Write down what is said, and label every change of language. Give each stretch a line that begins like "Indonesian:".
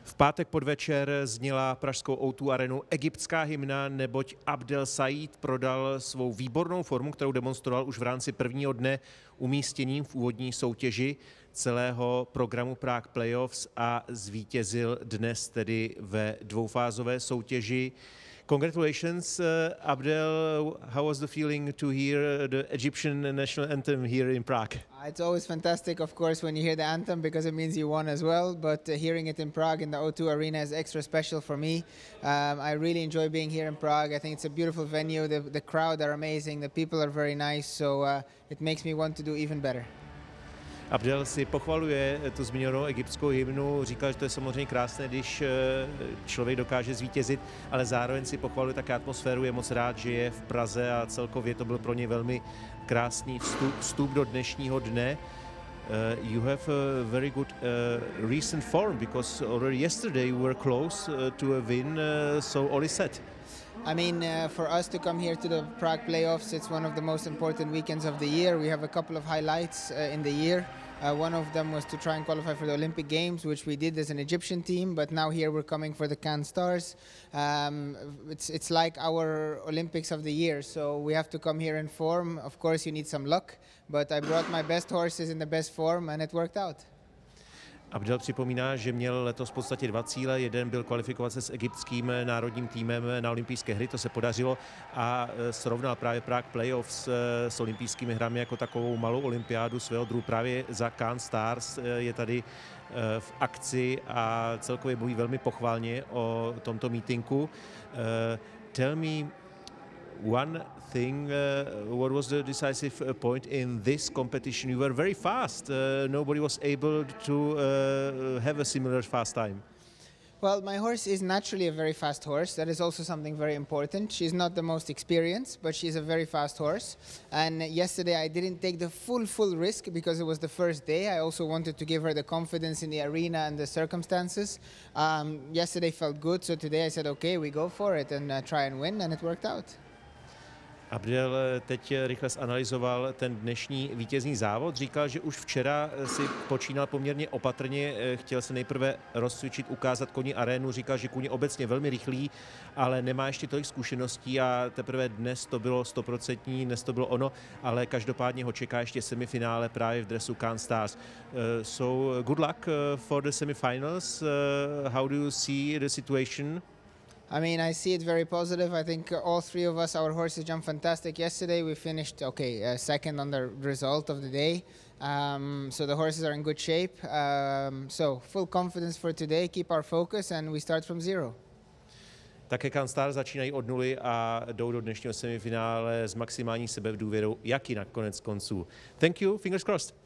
Czech: pátek podvečer zněla pražskou O2 arenu egyptská hymna, neboť Abdel Said prodal svou výbornou formu, kterou demonstroval už v rámci prvního dne umístěním v úvodní soutěži celého programu Prague Playoffs a zvítězil dnes tedy ve dvoufázové soutěži.
English: Congratulations, Abdel. How was the feeling to hear the Egyptian national anthem here in Prague? It's always fantastic, of course, when you hear the anthem because it means you won as well. But hearing it in Prague in the O2 Arena is extra special for me. I really enjoy being here in Prague. I think it's a beautiful venue. The crowd are amazing. The people are very nice. So it makes me want to do even better.
Czech: Abdel si pochvaluje tu zmíněnou egyptskou hymnu, říkal, že to je samozřejmě krásné, když člověk dokáže zvítězit, ale zároveň si pochvaluje také atmosféru, je moc rád, že je v Praze a celkově to byl pro něj velmi krásný vstup do dnešního dne.
English: You have a very good recent form, because already yesterday you were close to a win, so all is set. I mean, for us to come here to the Prague Playoffs, it's one of the most important weekends of the year. We have a couple of highlights in the year. One of them was to try and qualify for the Olympic Games, which we did as an Egyptian team, but now here we're coming for the Cannes Stars. It's like our Olympics of the year, so we have to come here in form. Of course, you need some luck, but I brought my best horses in the best form and it worked out.
Czech: Abdel připomíná, že měl letos v podstatě dva cíle. Jeden byl kvalifikovat se s egyptským národním týmem na olympijské hry, to se podařilo, a srovnal právě Prague Playoffs s olympijskými hrami jako takovou malou olympiádu svého druhu. Právě za Cannes Stars je tady v akci a celkově mluví velmi pochválně o tomto meetingu.
English: Tell me one thing, what was the decisive point in this competition? You were very fast. Nobody was able to have a similar fast time. Well, my horse is naturally a very fast horse. That is also something very important. She's not the most experienced, but she's a very fast horse. And yesterday I didn't take the full risk because it was the first day. I also wanted to give her the confidence in the arena and the circumstances. Yesterday felt good, so today I said, okay, we go for it and try and win, and it worked out.
Czech: Abdel teď rychle zanalyzoval ten dnešní vítězný závod. Říkal, že už včera si počínal poměrně opatrně, chtěl se nejprve rozcvičit, ukázat koni arénu. Říkal, že kůň je obecně velmi rychlý, ale nemá ještě tolik zkušeností a teprve dnes to bylo 100%, dnes to bylo ono, ale každopádně ho čeká ještě semifinále právě v dresu Cannes Stars.
English: So good luck for the semifinals. How do you see the situation? I mean, I see it very positive. I think all three of us, our horses jumped fantastic yesterday. We finished, okay, second on the result of the day. So the horses are in good shape. So full confidence for today, keep our focus and we start from zero.
Czech: Také Cannes Stars začínají od nuly a jdou do dnešního semifinále s maximální sebevdůvěrou, jak i na konec konců.
English: Thank you, fingers crossed.